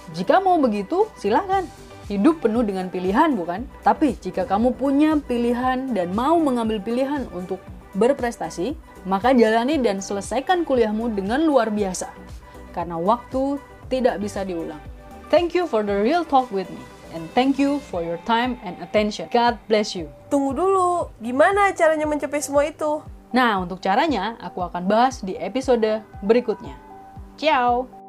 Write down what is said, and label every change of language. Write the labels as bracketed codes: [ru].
[id] Jika mau begitu, silakan. Hidup penuh dengan pilihan, bukan? Tapi jika kamu punya pilihan dan mau mengambil pilihan untuk berprestasi, maka jalani dan selesaikan kuliahmu dengan luar biasa. Karena waktu tidak bisa diulang. [en] Thank you for the real talk with me. And thank you for your time and attention. God bless you. [id] Tunggu dulu, gimana caranya mencapai semua itu? Nah, untuk caranya, aku akan bahas di episode berikutnya. Ciao!